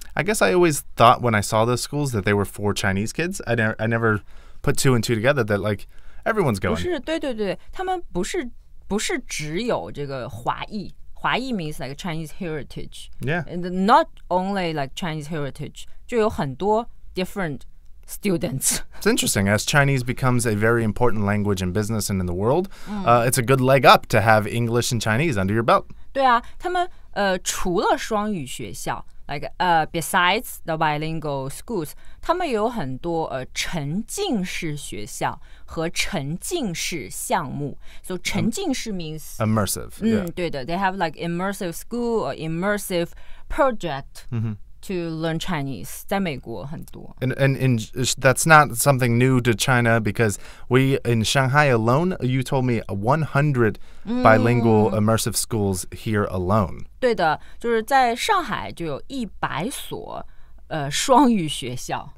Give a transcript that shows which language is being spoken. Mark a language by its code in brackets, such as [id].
[en] I guess I always thought when I saw those schools that they were for Chinese kids. I never put two and two together that like everyone's going. [zh] 不是，对对对，他们不是只有这个华裔。 [en] 华裔 means like Chinese heritage. Yeah. And not only like Chinese heritage, [zh] 就有很多 [en] different students. It's interesting. As Chinese becomes a very important language in business and in the world, it's a good leg up to have English and Chinese under your belt. [zh] 对啊，他们除了双语学校 [en] like besides the bilingual schools, [zh] 他们有很多沉浸式学校和沉浸式项目。 [en] So 沉浸式 means immersive. [zh] 对的， [en] they have like immersive school or immersive project. Mm-hmm. To learn Chinese, [zh] 在美国很多。 [en] And that's not something new to China because we, in Shanghai alone, you told me 100 bilingual immersive schools here alone. [zh] 对的，就是在上海就有100所双语学校。